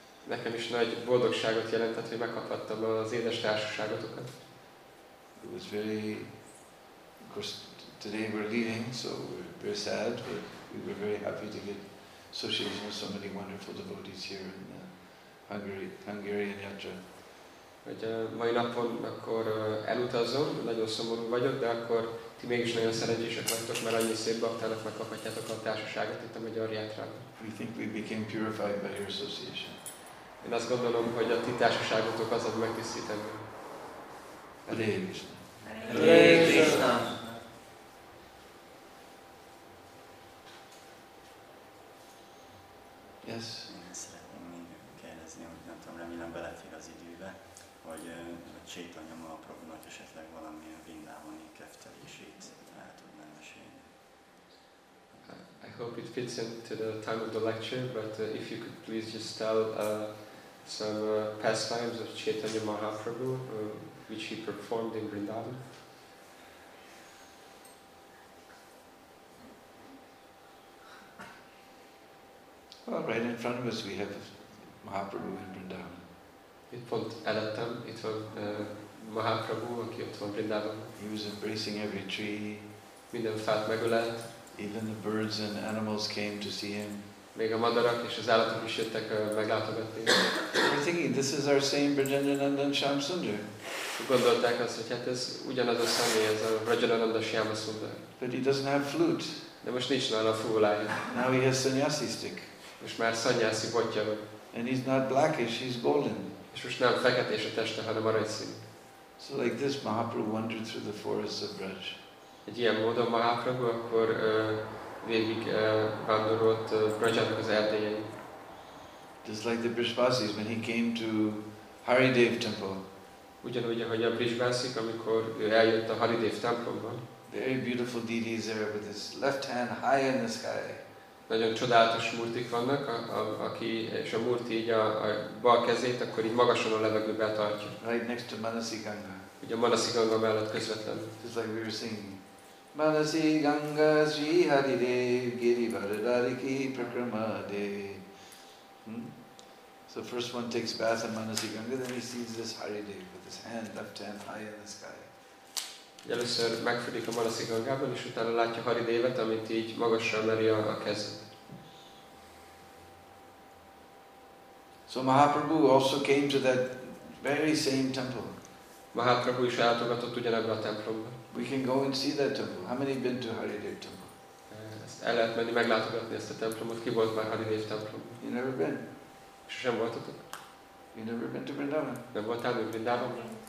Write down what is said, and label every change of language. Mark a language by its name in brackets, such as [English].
[Hungarian] Nekem is nagy boldogságot jelentett, hogy megkaphattam az édes társaságotokat. [English] It was very, of course, today we're leaving, so we're very sad, but we were very happy to get association with so many wonderful devotees here in Hungarian Yatra. [Hungarian] Hogy mai napon akkor elutazom, nagyon szomorú vagyok, de akkor ti mégis nagyon szerencsések vagytok, mert annyi szép baktának megkaphatjátok a társaságot itt a Magyar Yatrában. [English] We think we became purified by your association. [Hungarian] Én azt gondolom, hogy a ti társaságotok az ad megtisztítani. [English] Hare Krishna! Hare Krishna! Yes. [Hungarian] Én szeretném kérdezni, hogy nem tudom, remélem belefér az időbe, hogy Chaitanya Mahaprabhunak esetleg valamilyen Vrindavani keftelését el tudná mesélni. [English] I hope it fits into the time of the lecture, but if you could please just tell some pastimes of Chaitanya Mahaprabhu, which he performed in Vrindavan. Well, right in front of us we have Mahaprabhu in Vrindavan. [Hungarian] Itt pont előttem, itt van Mahaprabhu, aki ott van Vrindavan. [English] He was embracing every tree. [Hungarian] Minden fát megölelt. [English] Even the birds and animals came to see him. [Hungarian] Még a madarak és az állatok is jöttek meglátogatni. [English] We're thinking, this is our same Vrajananandan Shyamasundar. [Hungarian] Gondolták azt, hogy hát ez ugyanaz a személy, ez a Vrajananda Shyamasundar. [English] But he doesn't have flute. [Hungarian] De most nincs nála a fúvolája. [English] Now he has sannyasi stick. [Hungarian] És már szanyászi botja van. [English] And he's not blackish, he's golden. [Hungarian] És most nem feketés a teste, hanem aranyszín. [English] So like this, Mahaprabhu wandered through the forests of Braj. [Hungarian] Egy ilyen módon Mahaprabhu akkor végig vándorolt Brajának az erdélyein. [English] Just like the Brijvasis, when he came to Haridev temple. [Hungarian] Ugyanúgy, ahogy a Brijvasik, amikor ő eljött a Haridev templomban. [English] Very beautiful deities there with his left hand high in the sky. [Hungarian] Nagyon csodálatos murtik vannak, és a murti így a bal kezét, akkor így magasan a levegőbe tartja. [English] Right next to Manasi Ganga. [Hungarian] Ugye a Manasi Ganga mellett közvetlen. [English] Just like we were singing. Manasi Ganga Sri Hari Dev Giri Varadariki Prakramade. So the first one takes bath in Manasi Ganga, then he sees this Haridev with his hand, left hand high in the sky. [Hungarian] Először megfürdik a Manasi Gangában, és utána látja Haridevet, amit így magasra emeli a kezét. [English] So Mahaprabhu also came to that very same temple. [Hungarian] Mahaprabhu is eljátogatott ugyanebben a templomban. [English] We can go and see that temple. How many been to Haridev temple? [Hungarian] El lehet menni meglátogatni ezt a templomot. Ki volt már Haridev templom? [English] You never been? [Hungarian] Sem voltatok? [English] You never been to Vrindavan? [Hungarian] Nem voltál még Vrindavan?